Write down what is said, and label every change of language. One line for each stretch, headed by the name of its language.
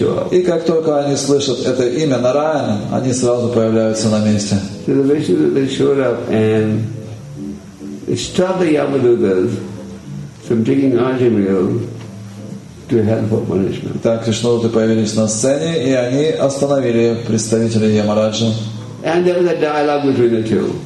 Russian: И как только они слышат это имя Нараян, они сразу появляются на месте.
English: So the Vishnudutas showed up and stopped the Yamadutas from taking Ajimil to hell for punishment.
Russian: Так, Вишнудуты появились на сцене, и они остановили представителей Ямараджа.
English: And there was a dialogue between the two.